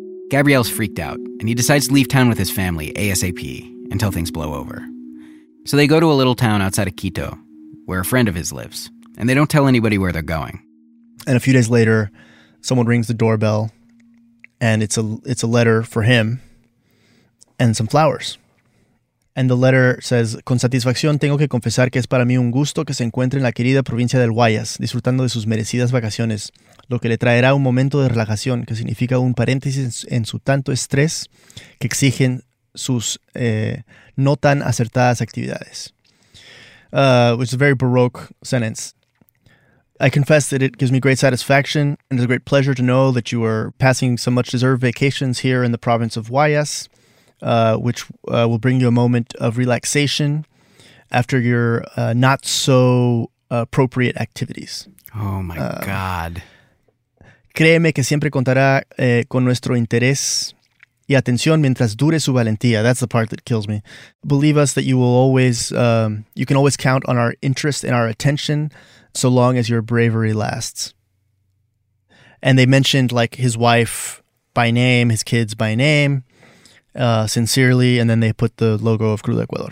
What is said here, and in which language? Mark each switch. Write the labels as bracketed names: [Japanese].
[English] Gabriel's freaked out, and he decides to leave town with his family, ASAP, until things blow over. So they go to a little town outside of Quito, where a friend of his lives, and they don't tell anybody where they're going. And a few days later, someone rings the doorbell, and it's a letter for him and some flowers. And the letter says, [Spanish] con satisfacción tengo que confesar que es para mí un gusto que se encuentre en la querida provincia del Guayas, disfrutando de sus merecidas vacaciones. Lo que le traerá un momento de relajación, que significa un paréntesis en su tanto estrés que exigen sus no tan acertadas actividades. [English] Which is a very baroque sentence. I confess that it gives me great satisfaction and is a great pleasure to know that you are passing some much deserved vacations here in the province of Guayas, which will bring you a moment of relaxation after your not so appropriate activities. Oh my God. [Spanish] Créeme que siempre contará con nuestro interés y atención mientras dure su valentía. [English] That's the part that kills me. Believe us that you will always, you can always count on our interest and our attention so long as your bravery lasts. And they mentioned, like, his wife by name, his kids by name, sincerely, and then they put the logo of Crudo Ecuador.